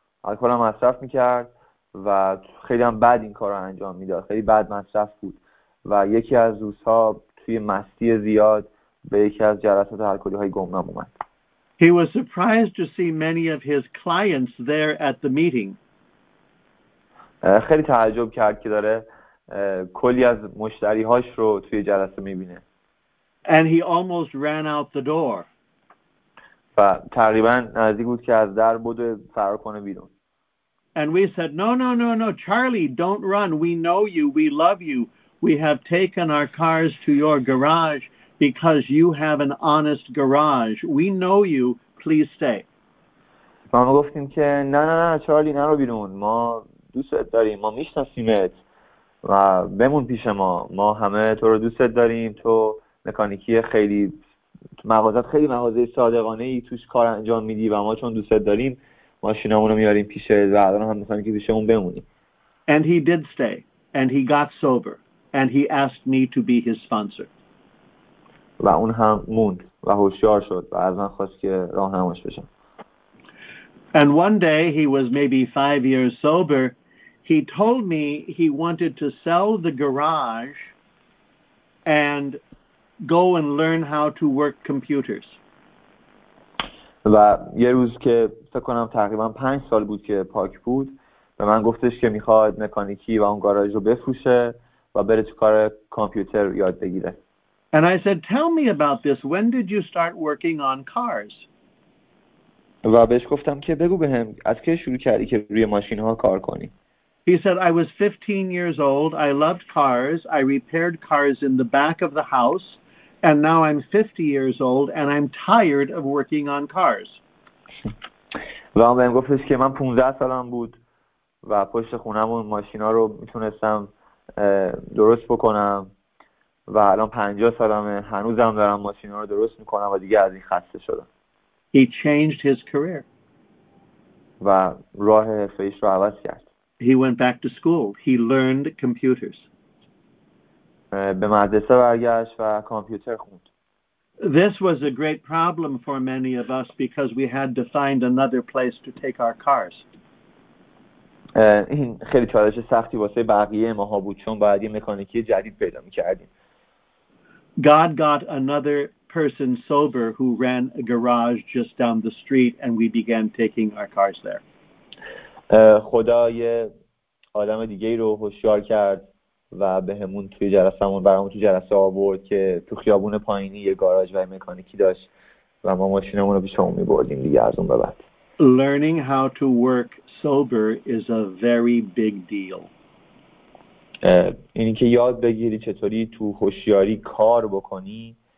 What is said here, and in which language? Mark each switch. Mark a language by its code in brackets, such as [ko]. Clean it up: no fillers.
[fa] الکل هم مصرف میکرد و خیلی هم بد این کار رو انجام میداد. خیلی بد مصرف بود. و یکی از روزها توی مستی زیاد به یکی از جلسات الکلی های گمنام اومد. [en] He was surprised to see many of his clients there at the meeting. [fa] خیلی تعجب کرد که داره کلی از مشتری هاش رو توی جلسه میبینه. [en] And he almost ran out the door. [fa] و تقریبا نزدیک بود که از در بود و فرار کنه بیرون. [en] And we said, no, Charlie, don't run. We know you. We love you. We have taken our cars to your garage because you have an honest garage. We know you. Please stay. [fa] ما گفتیم که نه چارلی نرو بیرون. ما دوستت داریم. ما میشناسیمت. و بمون پیش ما. ما همه تو رو دوستت داریم. تو مکانیکی خیلی مغازت خیلی مغازه صادقانه ای توش کار انجام میدی و ما چون دوستت داریم ماشینامونو میاریم پیشت و الان هم میخوایم که پیشمون بمونی. [en] And he did stay and he got sober and he asked me to be his sponsor. [fa] و اون هم موند و هوشیار شد و از من خواست که راهنماش بشم. [en] And one day he was maybe 5 years sober, he told me he wanted to sell the garage and go and learn how to work computers. [fa] و یه روز که فکر کنم تقریبا 5 سال بود که پاک بود به من گفتش که میخواد مکانیکی و اون گاراژ رو بفروشه و بره تو کار کامپیوتر یاد بگیره. [en] And I said, tell me about this. When did you start working on cars? [fa] و بهش گفتم که بگو بهم از کی شروع کردی که روی ماشین ها کار کنی. [en] He said, I was 15 years old. I loved cars. I repaired cars in the back of the house. And now I'm 50 years old and I'm tired of working on cars. [fa] و من بهم گفتش که من 15 سالم بود و پشت خونمون ماشینا رو میتونستم درست بکنم و الان 50 سالمه هنوزم دارم ماشینا رو درست میکنم و دیگه از این خسته شدم. [en] He changed his career. [fa] و راه حرفه‌ایش رو عوض کرد. [en] He went back to school. He learned computers. [fa] به مدرسه برگشت و کامپیوتر خوند. [en] This was a great problem for many of us because we had to find another place to take our cars. [fa] این خیلی چالش سختی واسه بقیه ماها بود چون باید یه مکانیکی جدید پیدا می‌کردیم. [en] God got another person sober who ran a garage just down the street and we began taking our cars there. [fa] خدا یه آدم دیگه‌ای رو هوشیار کرد و بهمون توی جلسه‌مون برامون تو جلسه آورد که تو خیابون پایینی یه گاراژ و مکانیکی داشت و ما ماشینمون رو پیشمون می‌بردیم دیگه از اون به بعد. [en] Learning how to work sober is a very big deal. [fa] اینی که یاد بگیری چطوری تو هوشیاری کار بکنی.